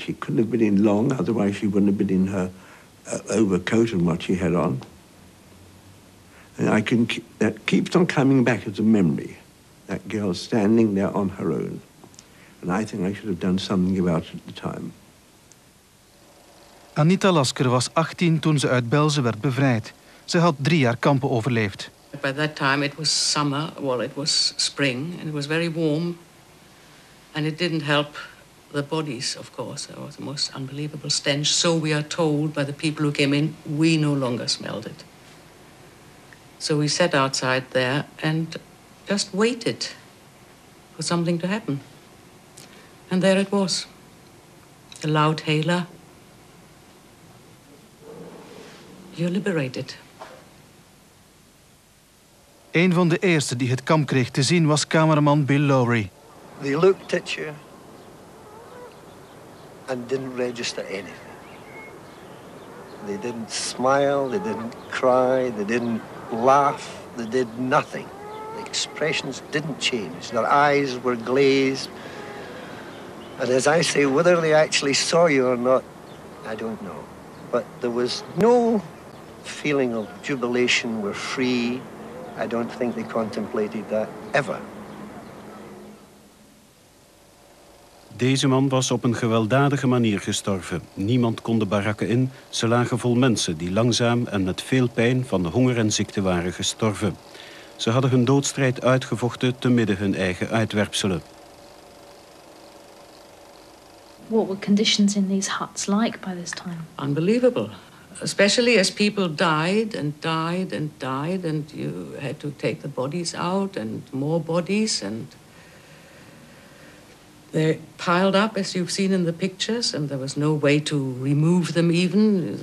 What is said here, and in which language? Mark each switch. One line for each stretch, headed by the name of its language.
English: She couldn't have been in long, otherwise she wouldn't have been in her overcoat and what she had on. And I can that keeps on coming back as a memory, that girl standing there on her own. And I think I should have done something about it at the time.
Dutch: Anita Lasker was 18 toen ze uit Belze werd bevrijd. Ze had 3 jaar kampen overleefd.
English: By that time it was summer, well it was spring, and it was very warm. And it didn't help the bodies, of course. There was the most unbelievable stench. So we are told by the people who came in, we no longer smelled it. So we sat outside there and just waited for something to happen. And there it was, a loud hailer. You're liberated.
Dutch: Een van de eerste die het kamp kreeg te zien was cameraman Bill Lowry.
English: They looked at you and didn't register anything. They didn't smile, they didn't cry, they didn't laugh, they did nothing. The expressions didn't change. Their eyes were glazed. And as I say, whether they actually saw you or not, I don't know. But there was no feeling of jubilation, we're free. I don't think they contemplated that ever.
Dutch: Deze man was op een gewelddadige manier gestorven. Niemand kon de barakken in. Ze lagen vol mensen die langzaam en met veel pijn van de honger en ziekte waren gestorven. Ze hadden hun doodstrijd uitgevochten te midden hun eigen uitwerpselen.
English: What were conditions in these huts like by this time? Unbelievable. Especially as people died and died and died, and you had to take the bodies out and more bodies, and they piled up as you've seen in the pictures, and there was no way to remove them even.